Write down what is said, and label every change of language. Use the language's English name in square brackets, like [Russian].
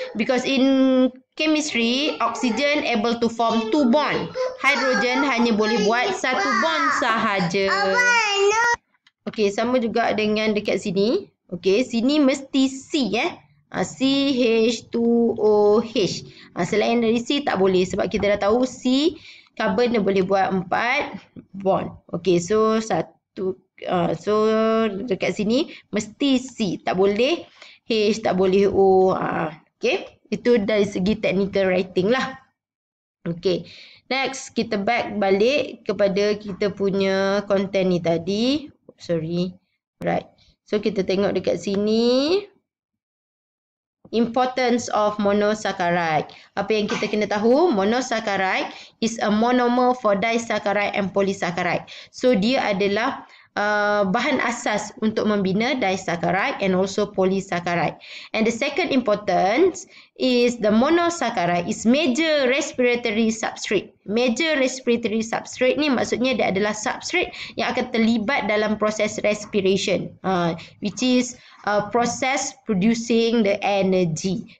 [English] Because in chemistry, oxygen able to form two bond. [Malay] Hydrogen hanya boleh buat satu bond sahaja. Okay, sama juga dengan dekat sini. Okay, sini mesti C eh. CH2OH. Selain dari C tak boleh sebab kita dah tahu C carbon dia boleh buat 4 bond. Okay, so satu so dekat sini mesti C, tak boleh H, tak boleh O. Okay, itu dari segi technical writing lah. Okay, next kita back balik kepada kita punya content ni tadi. [English] Sorry, right. So [Malay] kita tengok dekat sini [English] importance of monosaccharide. [Malay] Apa yang kita kena tahu, [English] monosaccharide is a monomer for disaccharide and polysaccharide. [Malay] So dia adalah bahan asas untuk membina disaccharide and also polysaccharide. [English] And the second importance is the monosaccharide is major respiratory substrate. [Malay] Major respiratory substrate ni maksudnya dia adalah substrate yang akan terlibat dalam proses respiration, [English] which is a process producing the energy.